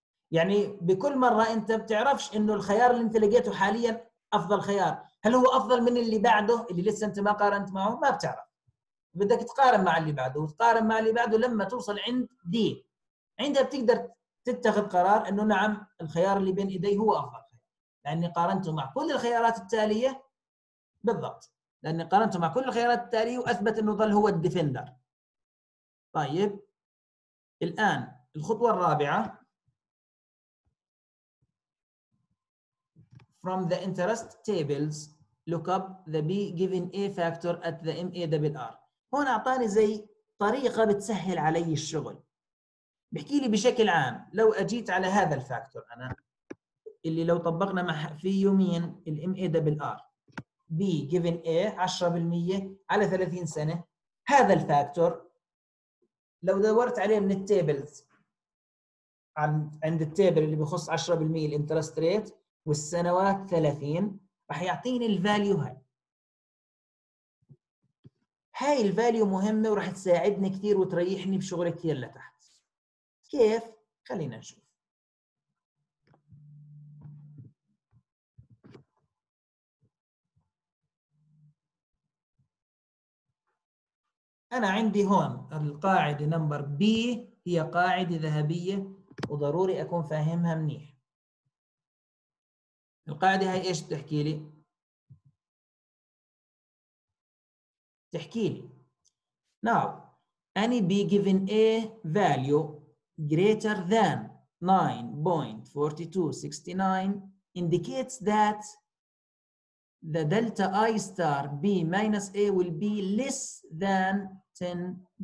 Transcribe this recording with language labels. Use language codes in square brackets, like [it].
[ar] يعني بكل مرة أنت بتعرفش إنه الخيار اللي أنت لقيته حاليا أفضل خيار، هل هو أفضل من اللي بعده اللي لسه أنت ما قارنت معه؟ ما بتعرف، بدك تقارن مع اللي بعده وتقارن مع اللي بعده لما توصل عند دي، عندها بتقدر تتخذ قرار إنه نعم الخيار اللي بين إيدي هو أفضل خيار، لأني قارنته مع كل الخيارات التالية. بالضبط، لأني قارنته مع كل الخيارات التالية وأثبت أنه ظل هو الديفندر. طيب الآن الخطوة الرابعة، [en] From the interest tables look up the B given A factor at the MA RR. [ar] هون أعطاني زي طريقة بتسهل علي الشغل، بحكي لي بشكل عام لو أجيت على هذا الفاكتور أنا اللي لو طبقنا مع في يومين MA RR B given A 10% على 30 سنة، هذا الفاكتور لو دورت عليه من التابلز عند التابل اللي بيخص 10% الانترست ريت والسنوات 30، رح يعطيني الفاليو هاي. هاي الفاليو مهمة ورح تساعدني كثير وتريحني بشغل كثير لتحت. كيف؟ خلينا نشوف. أنا عندي هون القاعدة نمبر B هي قاعدة ذهبية وضروري أكون فاهمها منيح. القاعدة هاي إيش بتحكي لي؟ تحكي لي [en] Now any B given A value greater than 9.4269 indicates that the delta I star B minus A will be less than 10%.